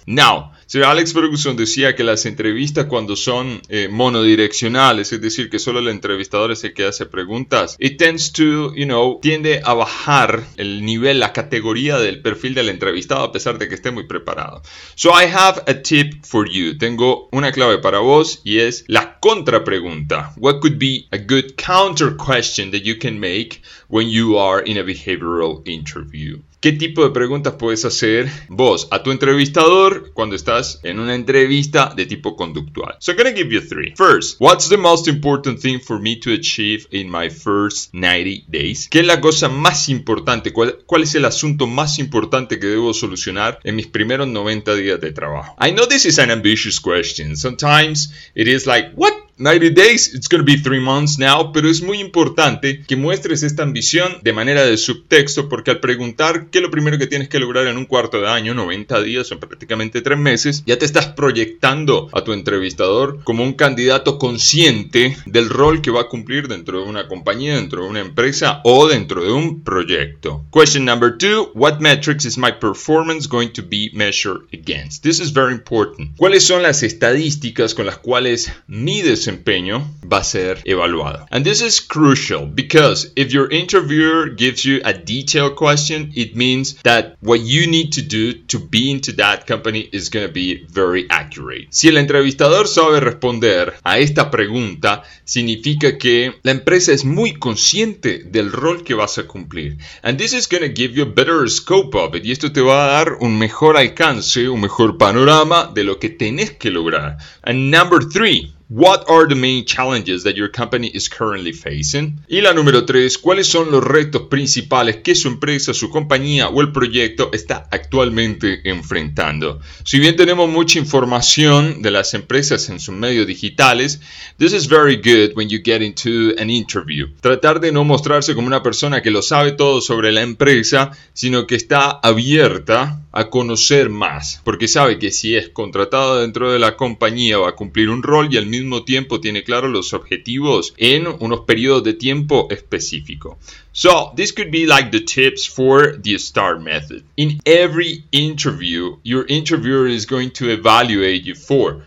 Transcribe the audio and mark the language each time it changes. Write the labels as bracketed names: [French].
[Spanish] Now, Sir Alex Ferguson decía que las entrevistas cuando son monodireccionales, es decir, que solo el entrevistador es el que hace preguntas, tiende a bajar el nivel, la categoría del perfil del entrevistado a pesar de que esté muy preparado. [English] So I have a tip for you. [Spanish] Tengo una clave para vos y es la contrapregunta. [English] What could be a good counter question that you can make when you are in a behavioral interview? [Spanish] ¿Qué tipo de preguntas puedes hacer vos a tu entrevistador cuando estás en una entrevista de tipo conductual? [English] So I'm going to give you three. First, what's the most important thing for me to achieve in my first 90 days? [Spanish] ¿Qué es la cosa más importante? ¿Cuál es el asunto más importante que debo solucionar en mis primeros 90 días de trabajo? [English] I know this is an ambitious question. Sometimes it is like, what 90 days, it's going to be 3 months now, [Spanish] pero es muy importante que muestres esta ambición de manera de subtexto, porque al preguntar qué es lo primero que tienes que lograr en un cuarto de año, 90 días o prácticamente 3 meses, ya te estás proyectando a tu entrevistador como un candidato consciente del rol que va a cumplir dentro de una compañía, dentro de una empresa o dentro de un proyecto. [English] Question number 2, what metrics is my performance going to be measured against? This is very important. [Spanish] ¿Cuáles son las estadísticas con las cuales mides desempeño va a ser evaluado? [English] And this is crucial because if your interviewer gives you a detailed question, it means that what you need to do to be into that company is going to be very accurate. [Spanish] Si el entrevistador sabe responder a esta pregunta, significa que la empresa es muy consciente del rol que vas a cumplir. [English] And this is going to give you a better scope of it. [Spanish] Y esto te va a dar un mejor alcance, un mejor panorama de lo que tenés que lograr. [English] And number 3, what are the main challenges that your company is currently facing? [Spanish] Y la número 3, ¿cuáles son los retos principales que su empresa, su compañía o el proyecto está actualmente enfrentando? Si bien tenemos mucha información de las empresas en sus medios digitales, [English] this is very good when you get into an interview. [Spanish] Tratar de no mostrarse como una persona que lo sabe todo sobre la empresa, sino que está abierta a conocer más, porque sabe que si es contratado dentro de la compañía va a cumplir un rol y al mismo tiempo tiene claro los objetivos en unos periodos de tiempo específico. [English] So, this could be like the tips for the STAR method. In every interview, your interviewer is going to evaluate you for.